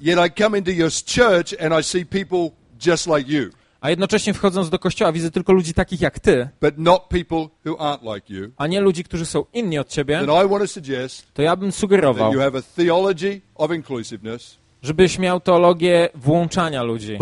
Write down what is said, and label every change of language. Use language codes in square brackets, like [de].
[en] yet I come into your church and I see people just like you, [pl] a jednocześnie wchodząc do kościoła widzę tylko ludzi takich jak ty, [en] but not people who aren't like you, [pl] a nie ludzi, którzy są inni od ciebie, [en] then I want to suggest, [pl] to ja bym sugerował, [en] that you have a theology of inclusiveness, [pl] żebyś miał teologię włączania ludzi,